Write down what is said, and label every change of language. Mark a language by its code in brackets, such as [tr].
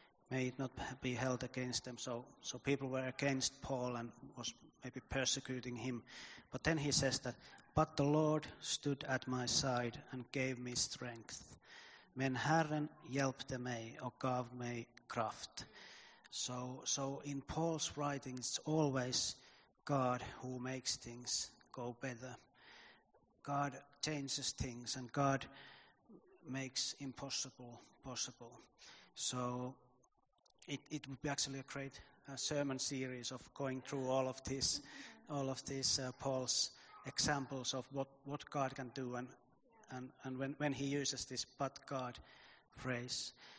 [en] May it not be held against them. So people were against Paul and was maybe persecuting him. But then he says that, but the Lord stood at my side and gave me strength. [sv] Men Herren hjälpte mig och gav mig kraft. [en] So in Paul's writings, it's always God who makes things go better. God changes things and God makes impossible possible. So it would be actually a great sermon series of going through all of these Paul's examples of what God can do and when he uses this but God phrase.